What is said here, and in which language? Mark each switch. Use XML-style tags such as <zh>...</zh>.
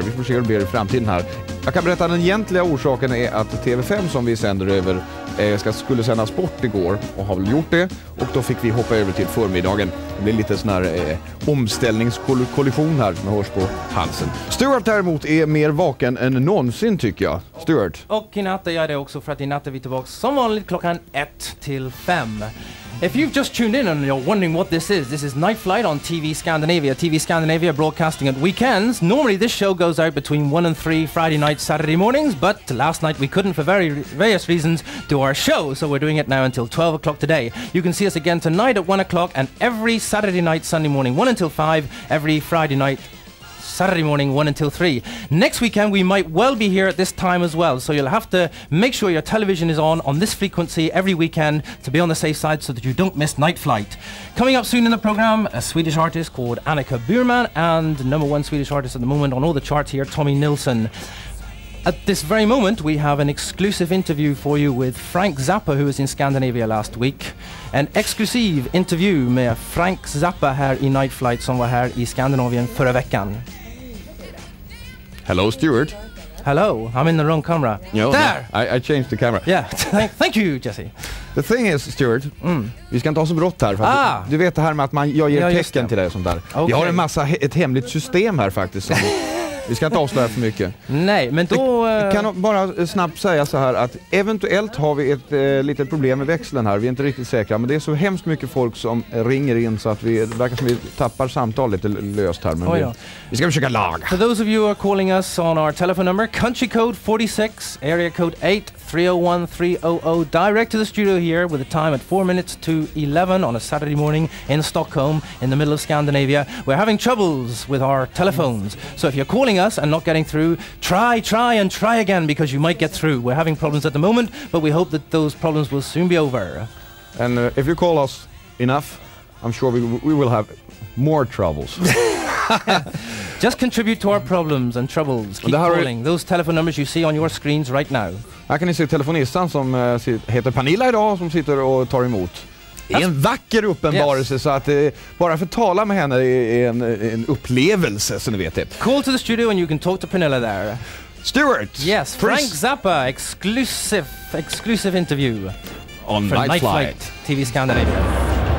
<sv>Vi får se hur det blir i framtiden här. Jag kan berätta att den egentliga orsaken är att TV5 som vi sänder över skulle sändas bort igår och har väl gjort det. Och då fick vi hoppa över till förmiddagen. Det blir lite sån här omställningskollision här som hörs på halsen. Stuart däremot är mer vaken än någonsin, tycker jag. Stuart. Och i natt är jag det också, för att i natt är vi tillbaka som vanligt klockan 1-5.</sv> <en>If you've just tuned in and you're wondering what this is Nightflight on TV Scandinavia. TV Scandinavia broadcasting at weekends. Normally this show goes out between 1 and 3 Friday nights, Saturday mornings, but last night we couldn't for various reasons do our show, so we're doing it now until 12 o'clock today. You can see us again tonight at 1 o'clock and every Saturday night, Sunday morning, 1 until 5, every Friday night, Saturday morning, 1 until 3. Next weekend we might well be here at this time as well, so you'll have to make sure your television is on this frequency every weekend to be on the safe side so that you don't miss Nightflight. Coming up soon in the program, a Swedish artist called Annica Burman and number one Swedish artist at the moment on all the charts here, Tommy Nilsson. At this very moment we have an exclusive interview for you with Frank Zappa, who was in Scandinavia last week.</en> <sv>En exklusiv intervju med Frank Zappa här i Nightflight som var här i Skandinavien förra veckan.</sv> <en>Hello, Stuart. Hello, I'm in the wrong camera. No, there! No, I changed the camera. Yeah, thank you, Jesse. The thing is,</en> <sv>Stuart, vi ska inte ha så brått här. För att du vet det här med att jag ger tecken till dig och sånt där. Okay. Vi har en massa ett hemligt system här faktiskt. Som vi ska inte avslöja för mycket. Nej, men då... Vi kan bara snabbt säga så här att eventuellt har vi ett litet problem med växeln här. Vi är inte riktigt säkra, men det är så hemskt mycket folk som ringer in så att vi verkar som vi tappar samtal lite löst här. Men vi ska försöka laga.</sv> <en>For those of you who are calling us on our telephone number, country code 46, area code 8-301-300, direct to the studio here with a time at 4:04 on a Saturday morning in Stockholm in the middle of Scandinavia. We're having troubles with our telephones. So if you're calling us and not getting through, try and try again, because you might get through. We're having problems at the moment, but we hope that those problems will soon be over. And if you call us enough, I'm sure we will have more troubles. Just contribute to our problems and troubles. Keep calling. Those telephone numbers you see on your screens right now.</en> <sv>Här kan ni se telefonistan som heter Panilla idag, som sitter och tar emot. Det är en vacker uppenbarelse, yes. Så att bara för att tala med henne är en upplevelse, som ni vet det.</sv> <en>Call to the studio and you can talk to Panilla there. Stuart! Yes, Frank Zappa, exclusive interview. On Nightflight. TV Scandinavia.</en>